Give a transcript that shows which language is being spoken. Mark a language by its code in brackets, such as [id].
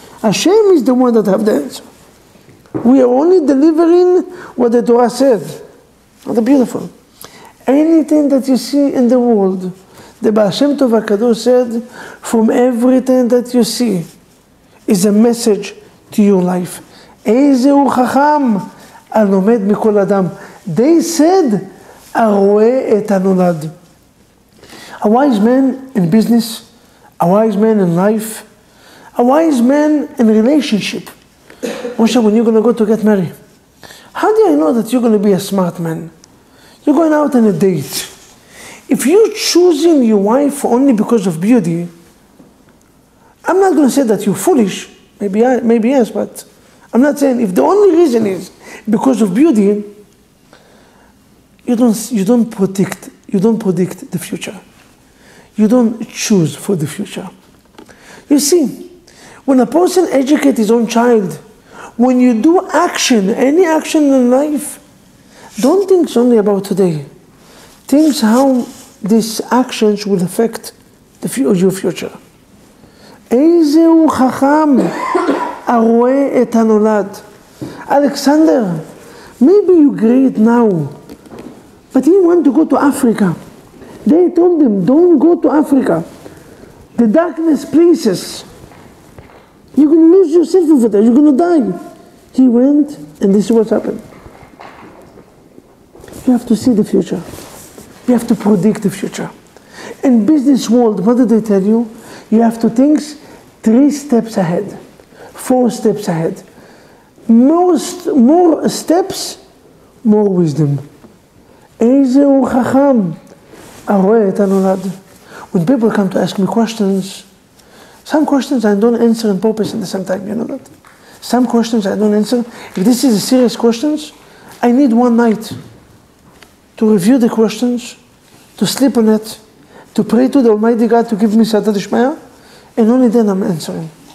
[en] Hashem is the one that have the answer. We are only delivering what the Torah said. What a beautiful. Anything that you see in the world, the Baal Shem Tov HaKadosh said, from everything that you see is a message to your life. [he] איזה הוא חכם, הלומד מכל אדם. [en] They said, [he] הרואה את הנולד. [en] A wise man in business, a wise man in life, a wise man in relationship. Moshe, when you're going to go to get married, how do I know that you're going to be a smart man? You're going out on a date. If you're choosing your wife only because of beauty, I'm not going to say that you're foolish. Maybe yes, but I'm not saying if the only reason is because of beauty, you don't predict the future. You don't choose for the future. You see, when a person educates his own child, when you do action, any action in life, don't think only about today. Think how these actions will affect your future. [he] איזהו חכם הרואה את הנולד. [en] Alexander, maybe you're great now, but he wanted to go to Africa. They told him, don't go to Africa. The darkness places. You're going to lose yourself over there. You're going to die. He went, and this is what happened. You have to see the future. You have to predict the future. In business world, what do they tell you? You have to think 3 steps ahead, 4 steps ahead. More steps, more wisdom. [he] איזהו חכם הרואה את הנולד. [en] When people come to ask me questions, some questions I don't answer in purpose at the same time, you know that? Some questions I don't answer. If this is a serious questions, I need one night to review the questions, to sleep on it, to pray to the Almighty God to give me Sadat Ishmael, and only then I'm answering.